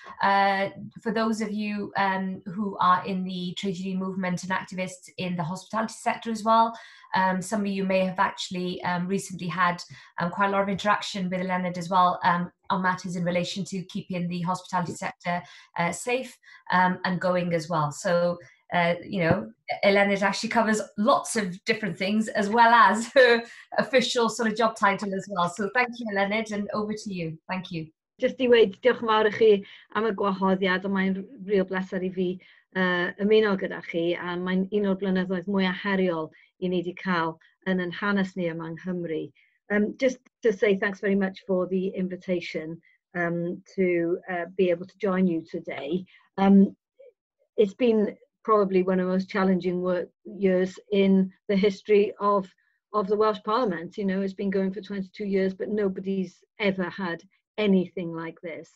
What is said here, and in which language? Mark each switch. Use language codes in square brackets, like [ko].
[en] For those of you who are in the trade union movement and activists in the hospitality sector as well, some of you may have actually recently had quite a lot of interaction with Eluned as well on matters in relation to keeping the hospitality sector safe and going as well. So, you know, Eluned actually covers lots of different things as well as her official sort of job title as well. So thank you, Eluned, and over to you. Thank you. Just to wait, [cy] diolch yn fawr I chi am y gwahoddiad, ond mae'n real bleser I fi ymuno gyda chi, a mae'n un o'r blynyddoedd mwy heriol I ni wedi cael yn ein hanes ni yma yng Nghymru. [en] Just to say thanks very much for the invitation to be able to join you today. It's been probably one of the most challenging work years in the history of the Welsh Parliament. You know, it's been going for 22 years, but nobody's ever had anything like this.